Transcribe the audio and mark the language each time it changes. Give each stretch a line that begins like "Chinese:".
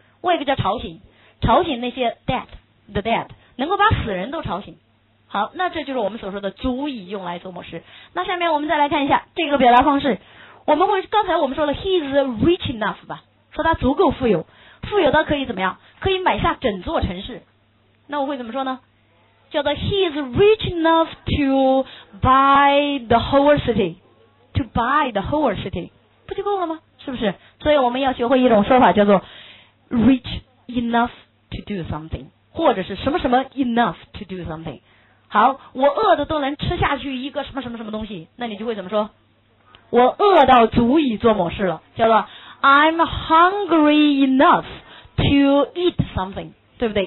Chinese: wake 叫吵醒，吵醒那些 dead, the dead， 能够把死人都吵醒。好，那这就是我们所说的足以用来做某事。那下面我们再来看一下这个表达方式，我们会刚才我们说了 he's rich enough 吧，说他足够富有，富有到可以怎么样，可以买下整座城市。那我会怎么说呢？
English: 叫做 he's rich enough to buy the whole city， to buy the whole city。
Chinese: 不就够了吗？是不是？所以我们要学会一种说法叫做 rich enough to do something，或者是什么什么 enough to do something。好，我饿的都能吃下去一个什么什么什么东西，那你就会怎么说？我饿到足以做某事了，叫做 I'm hungry enough to eat something，对不对？